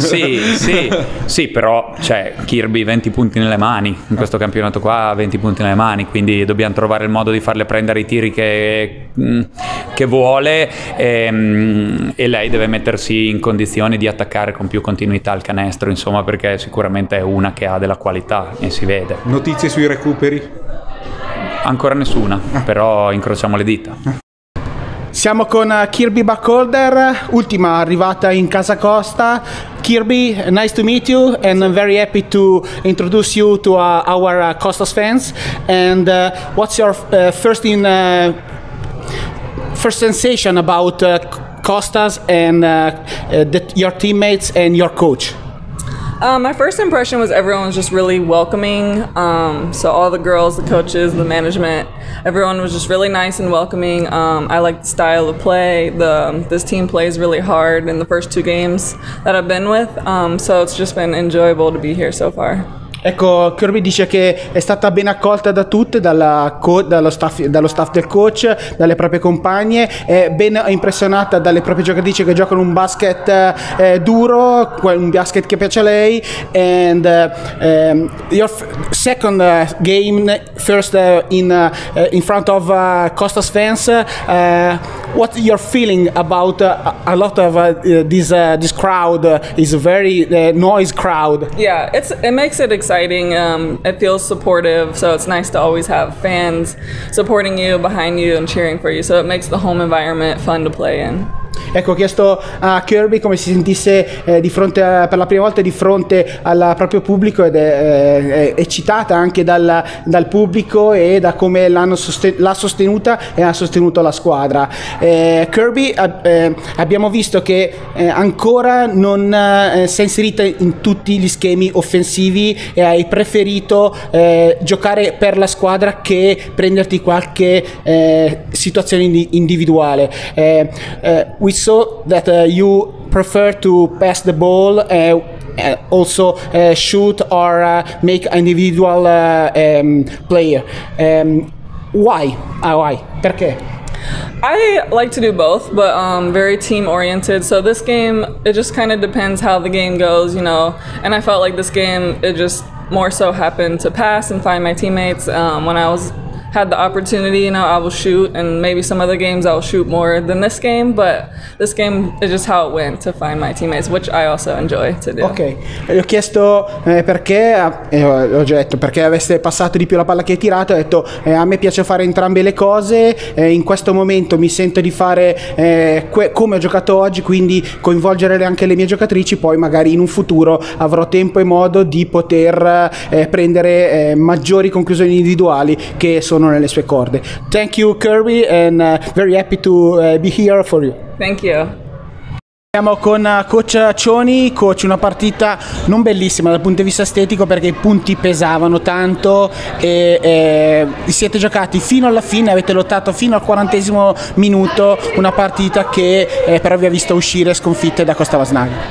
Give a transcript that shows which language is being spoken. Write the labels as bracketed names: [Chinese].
[Italian] Sì, sì, sì, però cioè, Kirby 20 punti nelle mani in questo campionato qua, 20 punti nelle mani, quindi dobbiamo trovare il modo di farle prendere i tiri che vuole, e lei deve mettersi in condizioni di attaccare con più continuità al canestro, insomma, perché sicuramente è una che ha della qualità e si vede. Notizie sui recuperi? Ancora nessuna, però incrociamo le dita. Siamo con Kirby Buckholder, ultima arrivata in casa Costa. [English] Kirby, nice to meet you and I'm very happy to introduce you to our Costa fans. And what's your first sensation about Costas and your teammates and your coach? My first impression was everyone was just really welcoming. So all the girls, the coaches, the management, everyone was just really nice and welcoming. I like the style of play. This team plays really hard in the first two games that I've been with. So it's just been enjoyable to be here so far. [Italian] Ecco, Kirby dice che è stata ben accolta da tutte, dallo staff del coach, dalle proprie compagne, è ben impressionata dalle proprie giocatrici che giocano un basket duro, un basket che piace a lei. [English] And your second game, first in front of Costa's fans, what your feeling about a lot of this crowd is very noise crowd? Yeah, it makes it exciting. It feels supportive, so it's nice to always have fans supporting you, behind you, and cheering for you. So it makes the home environment fun to play in. [Italian] Ecco, ho chiesto a Kirby come si sentisse di fronte a, per la prima volta di fronte al proprio pubblico, ed è eccitata anche dal pubblico e da come l'ha sostenuta e ha sostenuto la squadra. Kirby, abbiamo visto che ancora non si è inserita in tutti gli schemi offensivi e hai preferito giocare per la squadra che prenderti qualche situazione individuale. [English] We saw that you prefer to pass the ball and also shoot or make individual player. Why? [Italian] Perché? [English] I like to do both, but very team oriented. So this game, it just kind of depends how the game goes, you know. And I felt like this game, it just more so happened to pass and find my teammates when I was had the opportunity, you know, I will shoot, and maybe some other games I'll shoot more than this game, but this game is just how it went to find my teammates, which I also enjoy to do. [Italian] Ok, gli ho chiesto perché, ho detto perché avesse passato di più la palla che hai tirato, ho detto a me piace fare entrambe le cose, in questo momento mi sento di fare come ho giocato oggi, quindi coinvolgere anche le mie giocatrici, poi magari in un futuro avrò tempo e modo di poter prendere maggiori conclusioni individuali che sono nelle sue corde. [English] Thank you, Kirby, and very happy to be here for you. Thank you. [Italian] Siamo con Coach Cioni. Coach, una partita non bellissima dal punto di vista estetico perché i punti pesavano tanto e vi siete giocati fino alla fine, avete lottato fino al 40° minuto, una partita che però vi ha visto uscire sconfitte da Costa Vasnaga.